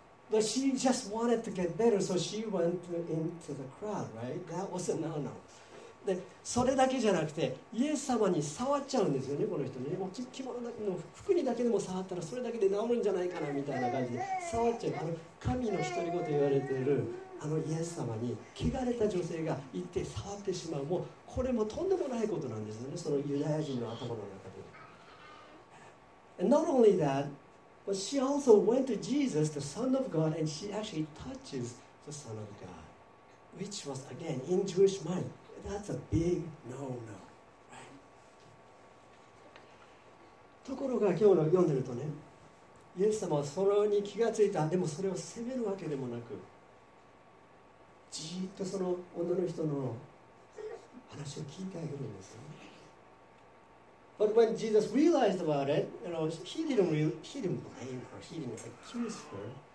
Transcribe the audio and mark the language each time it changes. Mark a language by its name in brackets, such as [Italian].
[English] But she just wanted to get better, so she went into the crowd, right? That was a no-no. [Japanese] で、それだけじゃなくて、イエス様に触っちゃうんですよね、この人ね。もう着物の服にだけでも触ったら、それだけで治るんじゃないかな、みたいな感じで、触っちゃう。あの神の独り言と言われている、あのイエス様に、汚れた女性が行って触ってしまう。もう、これもとんでもないことなんですよね、そのユダヤ人の頭の中で。 [English] And not only that,But she also went to Jesus, the Son of God, and she actually touches the Son of God, which was, again, in Jewish mind. That's a big no-no, right? [Japanese] ところが今日の読んでるとね、イエス様はそれに気がついた、でもそれを責めるわけでもなく、じっとその女の人の話を聞いてあげるんですよ。 [English] But when Jesus realized about it, you know, he didn't blame her, he didn't accuse her.